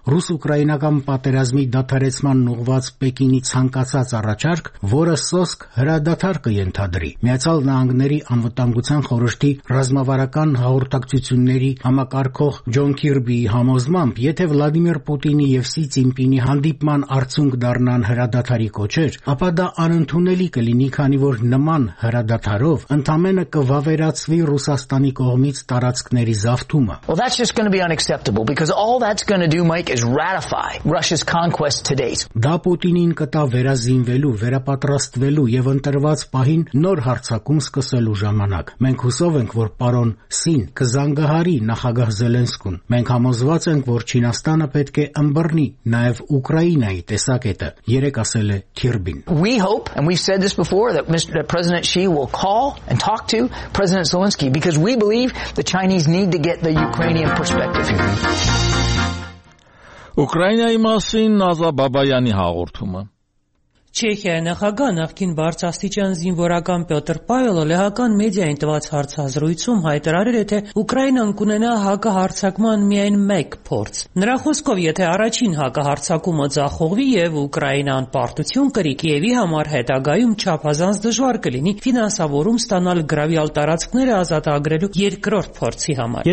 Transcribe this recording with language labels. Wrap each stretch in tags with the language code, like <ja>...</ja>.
<hy>ռուս-ուկրաինական պատերազմի դադարեցման ուղված Պեկինի ցանկացած առաջարկ, որը սոսկ հրադադար կենթադրի Միացյալ Նահանգների անվտանգության խորհրդի ռազմավարական հաղորդակցությունների համակարգող Ջոն Քիրբի համոզմամբ, եթե Վլադիմիր Պուտինի և Սի Ցինպինի հանդիպման արդյունք դառնան հրադադարի կոչեր, ապա դա անընդունելի կլինի, քանի որ նման հրադադարով ընդամենը կվավերացվի Ռուսաստանի կողմից տարածքների զավթումը։</hy> <en>Well, that's just going to be unacceptable because all that's going to do, Mike, is ratify Russia's conquest today.</en> <hy>Դա Պուտինին կտա վերազինվելու, վերապատրաստվելու և ընտրված պահին նոր հարձակում սկսելու ժամանակ։ Մենք հուսով ենք, որ պարոն Սին կզանգահարի նախագահ Զելենսկուն։ Մենք համոզված ենք, որ Չինաստանը պետք է ըմբռնի նաև Ուկրաինայի տեսակետը, երեկ ասել է Քիրբին։</hy> <en>We hope and we've said this before that Mr. President Xi will call and talk to President Zelensky because we believe the Chinese need to get the Ukrainian perspective here.</en> <hy>Ուկրաինայի մասին Նազա Բաբայանի հաղորդումը։ Չեխիայի նախագահ նախկին բարձրաստիճան զինվորական Պյոտր Պավելը լեհական մեդիային տված հարցազրույցում հայտարարել է, թե Ուկրաինան կունենա հակահարձակման միայն մեկ փորձ։ Նրա խոսքով, եթե առաջին հակահարձակումը ձախողվի և Ուկրաինան պարտություն կրի, Կիևի համար հետագայում չափազանց դժվար կլինի ֆինանսավորում ստանալ գրավյալ տարածքները ազատագրելու երկրորդ փորձի համար։</hy>